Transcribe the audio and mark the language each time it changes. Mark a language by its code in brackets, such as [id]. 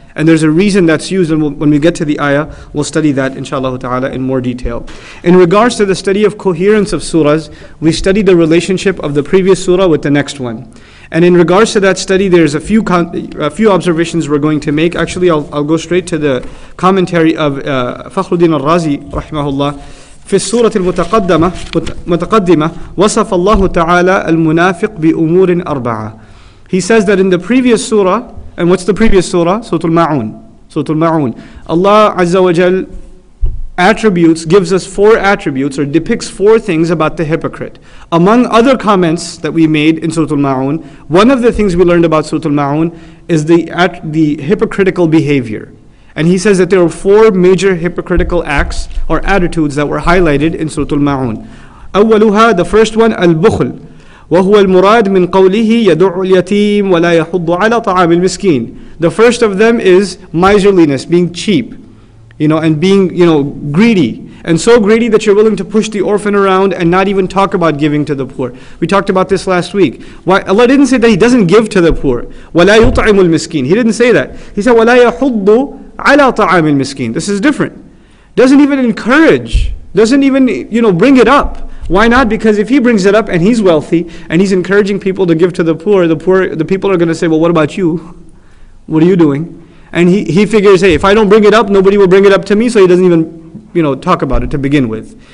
[en] And there's a reason that's used, and when we get to the ayah, we'll study that, inshallah ta'ala, in more detail. In regards to the study of coherence of surahs, we study the relationship of the previous surah with the next one. And in regards to that study, there's a few observations we're going to make. Actually, I'll go straight to the commentary of Fakhruddin al-Razi, rahimahullah. [ar] في السورة المتقدمة وصف الله تعالى المنافق بأمور أربعة. [en] He says that in the previous surah, and what's the previous surah? Surah Al-Ma'un. Allah Azza wa Jal attributes, gives us four attributes, or depicts four things about the hypocrite. Among other comments that we made in Surah Al-Ma'un, one of the things we learned about Surah Al-Ma'un is the hypocritical behavior. And he says that there were four major hypocritical acts or attitudes that were highlighted in Surah Al-Ma'un. [ar] أولها, [en] the first one, البخل. [ar] وهو المراد من قوله يدعو اليتيم ولا يحض على طعام المسكين. [en] The first of them is miserliness, being cheap, you know, and being, you know, greedy. And so greedy that you're willing to push the orphan around and not even talk about giving to the poor. We talked about this last week. Why Allah didn't say that he doesn't give to the poor. [ar] ولا يطعم المسكين. [en] He didn't say that. He said [ar] ولا يحض على طعام المسكين. [en] This is different. Doesn't even encourage. Doesn't even, you know, bring it up. Why not? Because if he brings it up and he's wealthy and he's encouraging people to give to the poor, the people are going to say, well, what about you? What are you doing? And he figures, hey, if I don't bring it up, nobody will bring it up to me, so he doesn't even, you know, talk about it to begin with.